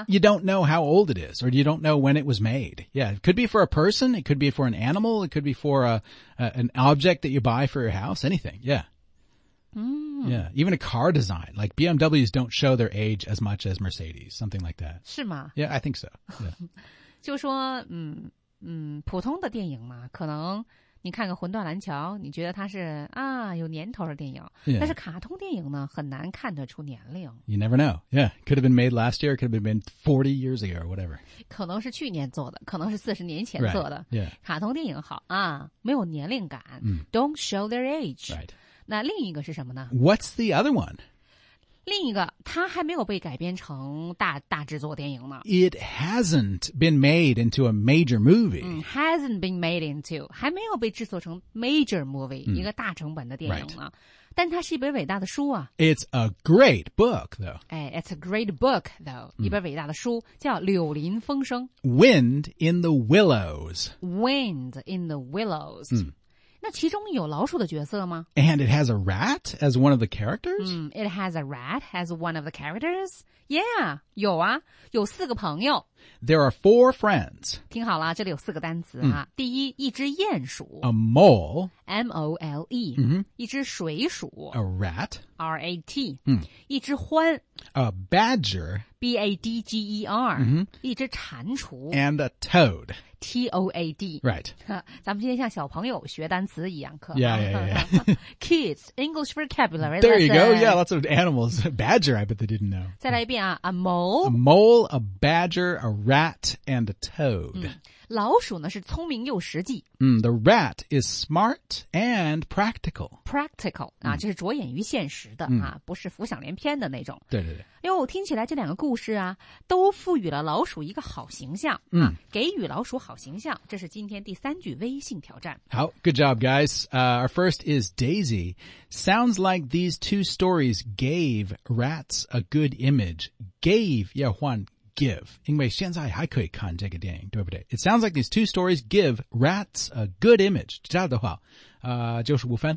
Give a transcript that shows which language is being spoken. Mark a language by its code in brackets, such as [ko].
[en] You don't know how old it is Or you don't know when it was made Yeah, it could be for a person It could be for an animal It could be for an object that you buy for your house Anything, yeah Mm. Yeah, even a car design, like BMWs don't show their age as much as Mercedes, something like that. [zh] 是吗? [en] Yeah, I think so. Yeah. [zh] 就说普通的电影嘛，可能你看个《魂断蓝桥》，你觉得它是啊有年头的电影， [en] yeah. [zh] 但是卡通电影呢，很难看得出年龄。 [en] You never know. Yeah, could have been made last year, could have been 40 years ago, or whatever. [zh] 可能是去年做的，可能是40年前做的。 [en] Right. Yeah. [zh] 卡通电影好啊，没有年龄感。嗯、 [en] Don't show their age. Right. [zh] 那另一个是什么呢 [en] What's the other one? [zh] 另一个它还没有被改编成大制作电影呢 [en] It hasn't been made into a major movie、嗯、Hasn't been made into [zh] 还没有被制作成 [en] major movie、嗯、 [zh] 一个大成本的电影呢、 [en] right. [zh] 但它是一本伟大的书啊 [en] It's a great book though、哎、It's a great book though、嗯、 [zh] 一本伟大的书叫柳林风声 [en] Wind in the Willows Wind in the Willows、嗯 [zh] 那其中有老鼠的角色吗 [en] ？And it has a rat as one of the characters.、 Mm, it has a rat as one of the characters. [zh] Yeah, 有啊，有四个朋友。 [en] There are four friends. [zh] 听好了，这里有四个单词啊。 Mm. 第一，一只鼹鼠。 [en] A mole. M O L E.、 Mm-hmm. [zh] 一只水鼠。 [en] A rat. R A T.、 Mm. [zh] 一只獾。 [en] A badger. B A D G E R.、 Mm-hmm. [zh] 一只蟾蜍。 [en] And a toad. T-O-A-D. Right. [zh] 咱们今天像小朋友学单词一样课。 [en] Yeah, yeah, yeah. Kids, English vocabulary. There you、 lesson. go. Yeah, lots of animals. Badger, I bet they didn't know. [zh] 再来一遍啊 [en] a mole. A mole, a badger, a rat, and a toad.、 [zh] 嗯、老鼠呢是聪明又实际。 [en] Mm, the rat is smart and practical. Practical, 啊、嗯、 [zh] 就是着眼于现实的、嗯、啊不是浮想联翩的那种。对对对。哟听起来这两个故事啊都赋予了老鼠一个好形象、嗯、啊给予老鼠好形象这是今天第三句微信挑战。 [en] 好 ,good job, guys. Our first is Daisy. Sounds like these two stories gave rats a good image. Gave, [zh] 要换 [en] give. [zh] 因为现在还可以看这个电影对不对 [en] ?It sounds like these two stories give rats a good image. [zh] 知道的话就是五分。